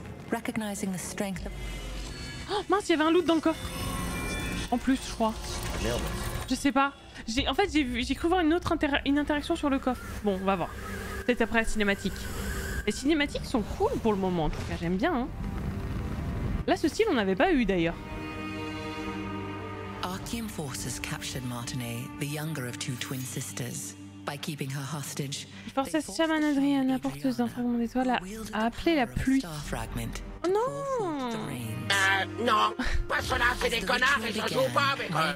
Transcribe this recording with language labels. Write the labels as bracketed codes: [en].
[en] Recognizing the strength of... [fr] Oh mince, il y avait un loot dans le coffre. En plus, je crois. Merde. Je sais pas. J'ai cru voir une interaction sur le coffre. Bon, on va voir. Peut-être après la cinématique. Les cinématiques sont cool pour le moment, en tout cas, j'aime bien. Hein. Là, ce style, on n'avait pas eu d'ailleurs. [en] Archeum forces captured Martinet, the younger of two twin sisters. [fr] Je pensais à Shaman Adrien, la porteuse d'un fragment d'étoile, à appeler la pluie. Oh non! Non! Parce que là, c'est des connards et je joue pas avec eux!